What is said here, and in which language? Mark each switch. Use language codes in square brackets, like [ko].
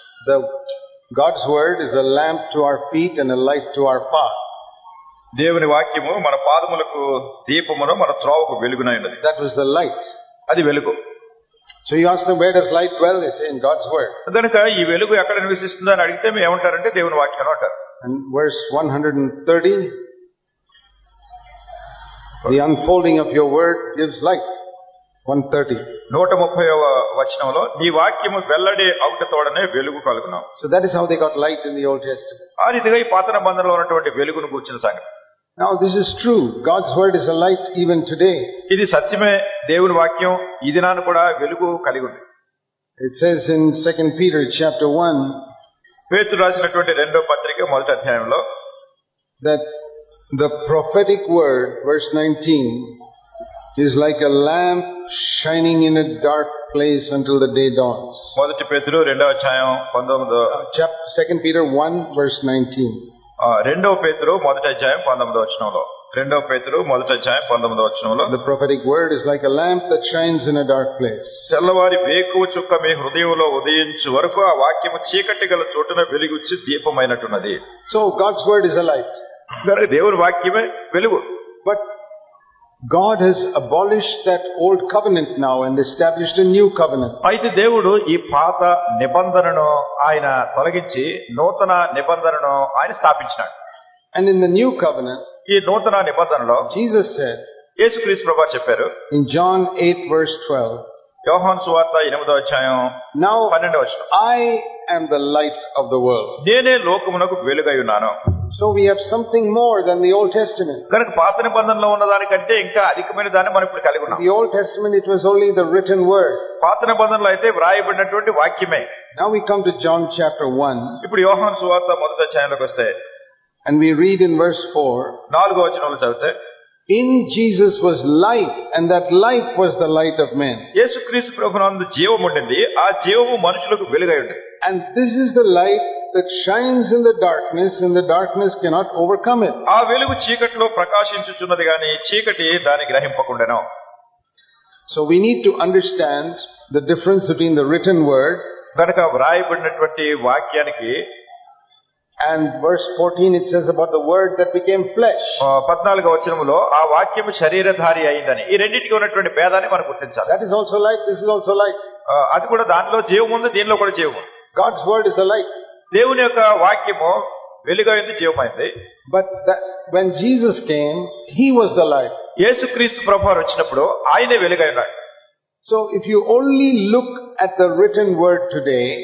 [en] The God's word is a lamp to our feet and a light to our path. [te] దేవుని వాక్యము మన పాదములకు దీపమును మన త్రోవకు వెలుగునైనది. [en] That was the light. [te] అది వెలుగు. [en] So you ask them, where does light dwell? They say in God's word. [te] దానిక ఈ వెలుగు ఎక్కడ నివసిస్తుంది అని అడిగితే మేము ఏమంటారంటే దేవుని వాక్యం అంటారు. [en] And verse 130. The unfolding of your word gives light. 130. [te] 130వ వచనంలో నీ వాక్యము వెల్లడి అవుట తోడనే వెలుగు కలుగునాం. [en] So that is how they got light in the Old Testament. [te] ఆ రీతిగా ఈ పాత నిబంధనలో ఉన్నటువంటి వెలుగును గురించిన సంగతి. [en] Now this is true. God's word is a light even today. [te] ఇది సత్యమే, దేవుని వాక్యం ఈ దినాన కూడా వెలుగు కలిగి ఉంది. [en] It says in 2 Peter chapter 1. [te] పేతురు రాసినటువంటి రెండో పత్రిక మొదటి అధ్యాయంలో [en] that the prophetic word, verse 19, is like a lamp shining in a dark place until the day dawns. [te] మొదటి పేతురు రెండవ అధ్యాయం 19వ [en] chapter, 2 Peter 1 verse 19. [te] రెండవ పేతురు మొదటి అధ్యాయం 19వ వచనంలో. రెండవ పేతురు మొదటి అధ్యాయం 19వ వచనంలో. [en] The prophetic word is like a lamp that shines in a dark place. [te] తెల్లవారి వేకువ చుక్క మీ హృదయంలో ఉదయించు వరకు ఆ వాక్యము చీకటి గల చోటున వెలుగుచ్చి దీపమైనట్టున్నది. [en] So God's word is a light. [te] దేవుని వాక్యమే వెలుగు. [en] But God has abolished that old covenant now and established a new covenant. [te] అయితే దేవుడు ఈ పాత నిబంధనను ఆయన తొలగించి నూతన నిబంధనను ఆయన స్థాపించాడు. [en] and in the new covenant, [te] ఈ నూతన నిబంధనలో [en] Jesus said, [te] యేసుక్రీస్తు ప్రభువు చెప్పారు, [en] in John 8 verse 12, [te] యోహాన్ సువార్త 8వ అధ్యాయం 12వ వచనం, [en] I am the light of the world, [te] నేనే లోకమునకు వెలుగై ఉన్నాను. [en] So we have something more than the Old Testament. [te] గనక పాత నిబంధనలో ఉన్న దానికంటే ఇంకా అధికమైన దాన్ని మనం ఇప్పుడు కలిగి ఉన్నాం. [en] The Old Testament, it was only the written word. [te] పాత నిబంధనలో అయితే వ్రాయబడినటువంటి వాక్యమే. [en] Now we come to John chapter 1. [te] ఇప్పుడు యోహాను సువార్త మొదటి అధ్యాయంలోకి వస్తే, [en] and we read in verse 4. [te] 4వ వచనంలో చదివితే, [en] in Jesus was life and that life was the light of men. [te] యేసుక్రీస్తు ప్రభునందు జీవము ఉండింది, ఆ జీవము మనుషులకు వెలుగై ఉంది. [en] And this is the light that shines in the darkness and the darkness cannot overcome it. [te] ఆ వెలుగు చీకటిలో ప్రకాశించుచున్నది గాని చీకటి దాని గ్రహింపకుండెను. [en] So we need to understand the difference between the written word, [te] గనక వ్రాయబడినటువంటి వాక్యానికి, [en] and verse 14 it says about the word that became flesh. [te] 14వ వచనములో ఆ వాక్యము శరీరధారి అయిందని, ఈ రెండింటికి ఉన్నటువంటి భేదాన్ని మనం గుర్తించాలి. [en] That is also light, this is also light. [te] అది కూడా దానిలో జీవముంది, దీనిలో కూడా జీవముంది. [en] God's word is a light. [te] దేవుని యొక్క వాక్యము వెలుగైంది, జీవమైంది. [en] But when Jesus came, he was the light. [te] యేసుక్రీస్తు ప్రభువు వచ్చినప్పుడు ఆయనే వెలుగైనాడు. [en] So if you only look at the written word today,